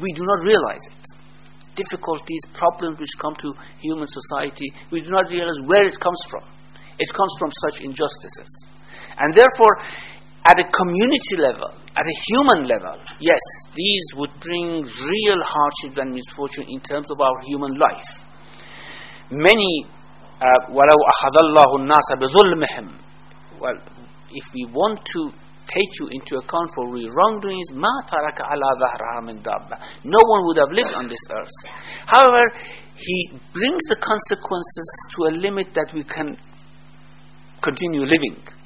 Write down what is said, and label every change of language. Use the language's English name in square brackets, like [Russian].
[English] We do not realize it. Difficulties, problems which come to human society, we do not realize where it comes from. It comes from such injustices. And therefore, at a community level, at a human level, yes, these would bring real hardships and misfortune in terms of our human life. Many, [Arabic] وَلَوْ أَخَذَ اللَّهُ النَّاسَ بِظُلْمِهِمْ. [English] Well, if we want to take you into account for your wrongdoings, [Arabic] مَا تَرَكَ عَلَىٰ ذَهْرَهَا مِنْ دَابَّةٍ. [English] No one would have lived on this earth. However, he brings the consequences to a limit that we can continue living.